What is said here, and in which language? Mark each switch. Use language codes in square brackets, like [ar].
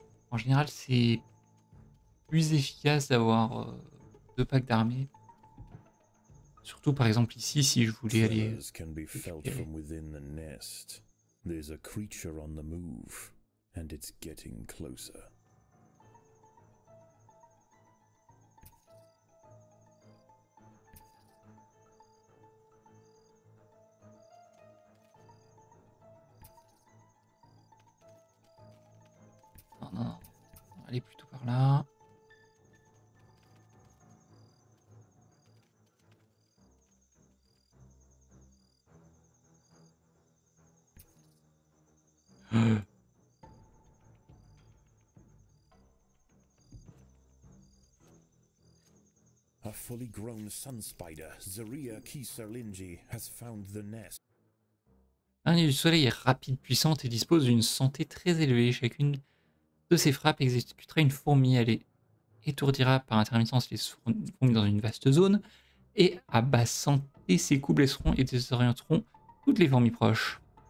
[fr] En général c'est plus efficace d'avoir deux packs d'armée. Surtout par exemple ici si je voulais aller. [en] Feathers can be felt from within the nest. There's a creature on the move, and it's getting closer. [fr] Non, non, non. Allez plutôt par là. [en] A fully grown sun spider, Zaria Kisarlinji, has found the nest. [fr] L'araignée du soleil est rapide, puissante et dispose d'une santé très élevée. Chacune de ses frappes exécutera une fourmi. Elle étourdira par intermittence les fourmis dans une vaste zone. Et à basse santé, ses coups blesseront et désorienteront toutes les fourmis proches.